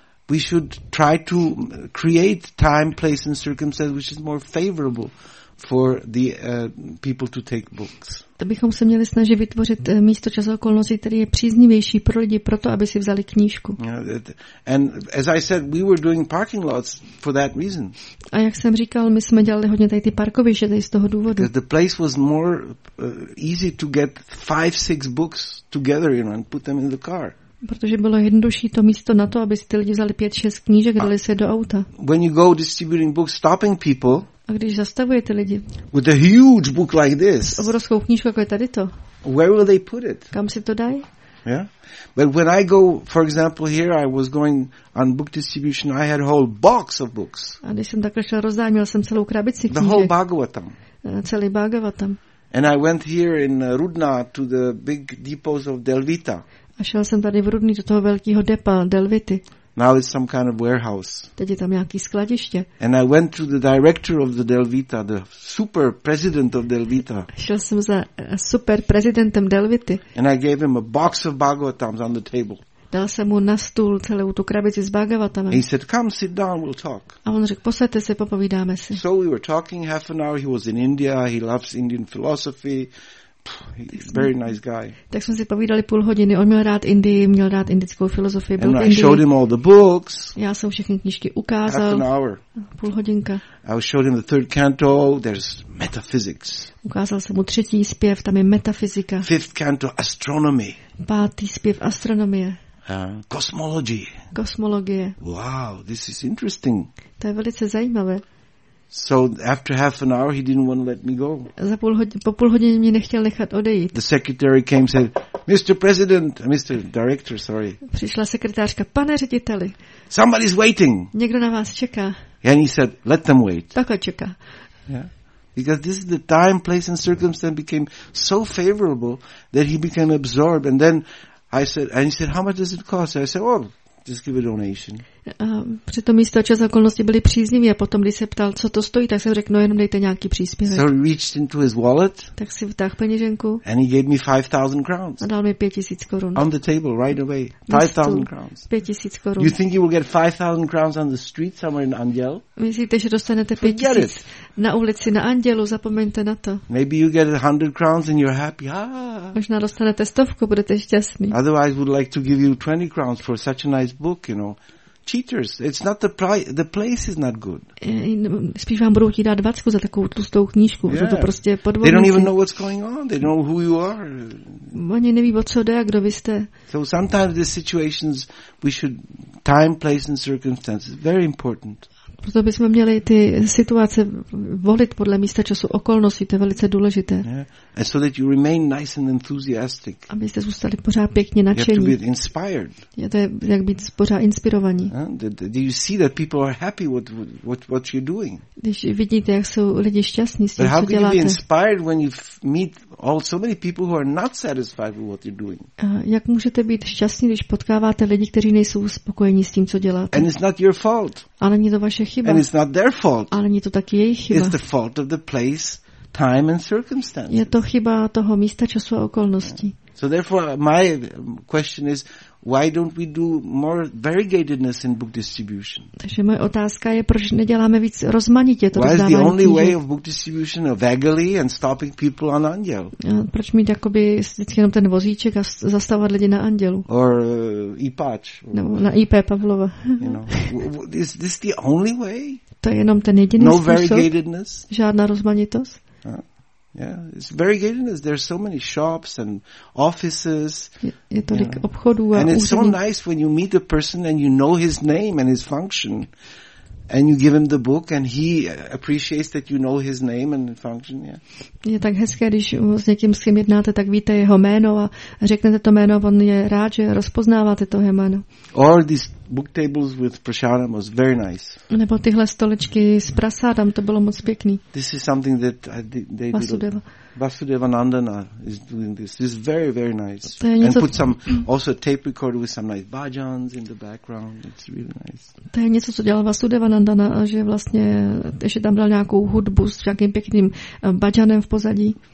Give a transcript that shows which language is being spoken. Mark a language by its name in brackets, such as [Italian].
[English] We should try to create time, place and circumstances which is more favorable for the people to take books. [Czech] To bychom se měli snažit vytvořit místo, čas a okolnosti, které je příznivější pro lidi, proto aby si vzali knížku. [English] And as I said, we were doing parking lots for that reason. [Czech] A jak jsem říkal, my jsme dělali hodně tady ty parkoviště tady z toho důvodu. [English] Because the place was more easy to get 5-6 books together, you know, and put them in the car. [Czech] Protože bylo jednodušší to místo na to, aby si ty lidi vzali 5-6 knížek, dali se do auta. [English] When you go distributing books, stopping people. [Czech] A když zastavujete lidi? [English] With a huge book like this. [Czech] Obrovskou knížku, jako je tady to. [English] Where will they put it? [Czech] Kam si to dají? [English] Yeah. But when I go, for example, here I was going on book distribution, I had a whole box of books. [Czech] A když jsem takhle šel rozdávat, měl jsem celou krabici knížek. [English] The whole Bhagavatam. [Czech] Celý Bhagavatam. [English] And I went here in Rudna to the big depots of Delvita. [Czech] A šel jsem tady v Rudný do toho velkého depa Delvity. [English] Now it's some kind of warehouse. [Czech] Teď je tam nějaký skladiště. [English] And I went to the director of the Delvita, the super president of Delvita. [Czech] Šel jsem za super prezidentem Delvity. [English] And I gave him a box of Bhagavatams on the table. [Czech] Dal jsem mu na stůl celou tu krabici s Bhagavatamem. [English] He said, "Come, sit down, we'll talk." [Czech] A on řekl, posaďte se, popovídáme si. [English] So we were talking half an hour. He was in India. He loves Indian philosophy. He's a very nice guy. [Czech] Tak jsme si povídali půl hodiny. On měl rád Indii, měl rád indickou filozofii. [English] And I showed him all the books. [Czech] Já jsem všechny knížky ukázal. [English] Half an hour. [Czech] Půl hodinka. [English] I showed him the third canto. There's metaphysics. [Czech] Ukázal jsem mu třetí zpěv. Tam je metafyzika. [English] Fifth canto, astronomy. [Czech] Pátý zpěv, astronomie. [English] Cosmology. [Czech] Kosmologie. [English] Wow, this is interesting. [Czech] To je velice zajímavé. [English] So after half an hour, he didn't want to let me go. [Czech] Po půl hodině mě nechtěl nechat odejít. [English] The secretary came and said, "Mr. President, Mr. Director, sorry." [Czech] Přišla sekretářka, pane řediteli. [English] Somebody's waiting. [Czech] Někdo na vás čeká. [English] And he said, "Let them wait." [Czech] Tak čeká. [English] Yeah, because this is the time, place, and circumstance became so favorable that he became absorbed. And then I said, and he said, "How much does it cost?" I said, "Oh." Just give a donation. [Czech] Při tom místo a čas okolnosti byly příznivý a potom, když se ptal, co to stojí, tak jsem řekl, no jenom dejte nějaký příspěvek. [English] So he reached into his wallet. [Czech] Tak si vtáhl peněženku. [English] And he gave me 5,000 crowns. [Czech] A dal mi 5,000 korun. [English] On the table, right away. 5,000 crowns. [Czech] 5,000 korun. [English] You think you will get 5,000 crowns on the street somewhere in Anděl? [Czech] Myslíte, že dostanete 5,000 na ulici, na Andělu? Zapomeňte na to. [English] Maybe you get 100 crowns and you're happy. [Czech] Možná dostanete stovku, budete šťastný. [English] Otherwise, would like to give you 20 crowns for such a nice book, you know. Cheaters. It's not the place is not good. [Czech] Spíš vám budou ti dát 20 za takovou tlustou knížku, že to prostě podvodníci. [English] They don't even know what's going on. They know who you are. [Czech] Oni neví, o co jde a kdo vy jste. [English] So sometimes the situations we should time, place and circumstances. Very important. [Czech] Proto bychom měli ty situace volit podle místa času okolností, to je velice důležité. [English] Yeah. And so that you remain nice and enthusiastic. [Czech] Abyste zůstali pořád pěkně nadšení. [English] You have to be inspired. [Czech] Je to jak být pořád inspirovaní. [English] Do you see that people are happy what you're doing? [Czech] Když vidíte, jak jsou lidi šťastní s tím, co děláte. [English] But how can you be inspired when you meet all so many people who are not satisfied with what you're doing? [Czech] Jak můžete být šťastní, když potkáváte lidi, kteří nejsou spokojení s tím, co děláte? [English] And it's not your fault. [Czech] Ale není to vaše chyba. [English] And it's not their fault. [Czech] Ale není to taky jejich chyba. [English] It's the fault of the place, time and circumstances. [Czech] Je to chyba toho místa, času a okolností. [English] So therefore, my question is, why don't we do more variegatedness in book distribution? [Czech] Takže moje otázka je, proč neděláme víc rozmanitě to rozdávání? [English] Why is the only way of book distribution a vagally and stopping people on Anděl? [Czech] Proč mít jakoby vždycky jenom ten vozíček a zastavovat lidi na Andělu? [English] Or IPAč. [Czech] Nebo na IP Pavlova. [English] Is this the only way? [Czech] To je jenom ten jediný no způsob? [English] No variegatedness? [Czech] Žádná rozmanitost? [English] Yeah, it's variegatedness. There's so many shops and offices. [Czech] Je tolik obchodů a [English] and it's so nice when you meet a person and you know his name and his function, and you give him the book and he appreciates that you know his name and function. Yeah. [Czech] Je tak hezké, když s někým, s kým jednáte, tak víte jeho jméno a řeknete to jméno, on je rád, že rozpoznáváte to jméno. [English] All these book tables with prasadam was very nice. [Czech] Nebo tyhle stolečky s prasadam, to bylo moc pěkný. [English] This is something that they Vasudeva. Vasudeva Nandana is doing this. This is very, very nice. And put some also tape recorder with some nice bhajans in the background. It's really nice. [Czech] To je něco, co dělal Vasudeva Nandana, že vlastně ještě tam dal nějakou hudbu s nějakým pěkným bhajanem v pozadí.